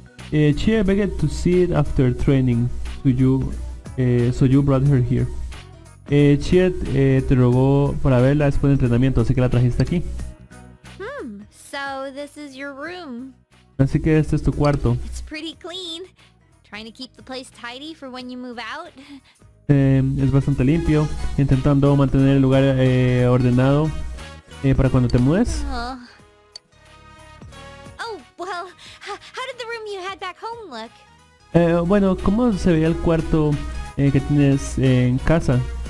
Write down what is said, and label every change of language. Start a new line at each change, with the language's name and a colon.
English: She begged to see it after training to you, so you brought her here.
Spanish: Te rogó para verla después del entrenamiento, así que la trajiste aquí.
English: So this is your room.
Spanish: Así que este es tu cuarto.
English: It's pretty clean. Trying to keep the place tidy for when you move out.
Spanish: Es bastante limpio, intentando mantener el lugar ordenado para cuando te mudes.
English: How did the room you had back home look?
Spanish: Bueno, ¿cómo se veía el cuarto que tienes en casa?